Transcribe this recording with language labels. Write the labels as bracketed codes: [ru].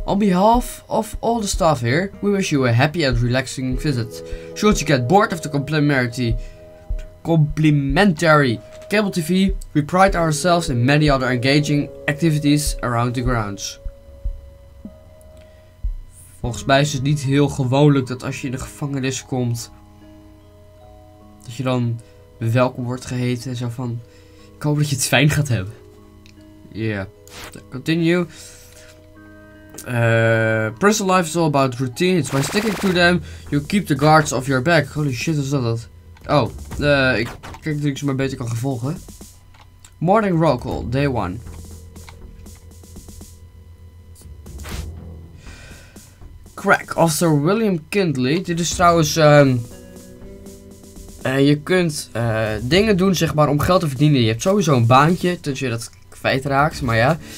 [en] On behalf of all the staff here, we wish you a happy and relaxing visit. Should you get bored of the complimentary cable TV, we pride ourselves in many other engaging activities around the grounds. [nl] Volgens mij is het niet heel gewoonlijk dat als je in de gevangenis komt, dat je dan welkom wordt geheten en zo van, ik hoop dat je het fijn gaat hebben. [en] Yeah, continue. Prison life is all about routines. By sticking to them, you keep the guards off your back. Holy shit, [nl] is dat? Oh, ik kijk dat ik ze maar beter kan volgen. [en] Morning roll call, day one. [nl] Crack, Officer William Kindley. Dit is trouwens, je kunt dingen doen, zeg maar, om geld te verdienen. Je hebt sowieso een baantje, dat je dat feit raakt, maar ja.